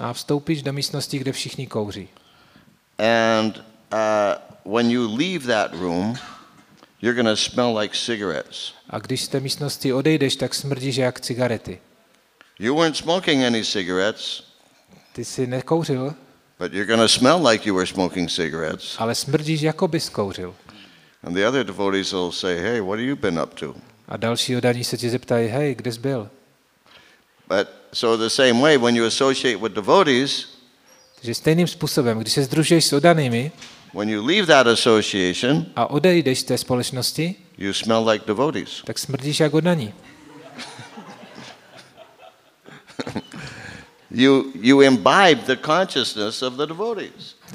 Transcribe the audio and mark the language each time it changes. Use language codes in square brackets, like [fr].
[cs] A vstoupíš do místnosti, kde všichni kouří. [en] And when you leave that room, you're going to smell like cigarettes. [cs] A když z té místnosti odejdeš, tak smrdíš jak cigarety. [en] You weren't smoking any cigarettes. [cs] Ty jsi nekouřil. [en] But you're going to smell like you were smoking cigarettes. [cs] Ale smrdíš, jako bys kouřil. [en] And the other devotees will say, "Hey, what have you been up to?" [cs] A další oddaní se tě zeptají, "Hey, kde jsi byl?" [en] But so the same way, when you associate with devotees, [cs] takže stejným způsobem, když se združuješ s oddanými, [en] when you leave that association, [cs] a odejdeš z té společnosti, [en] you smell like devotees. [cs] Tak smrdíš jako oddaní. [en] You imbibe the consciousness of the devotees.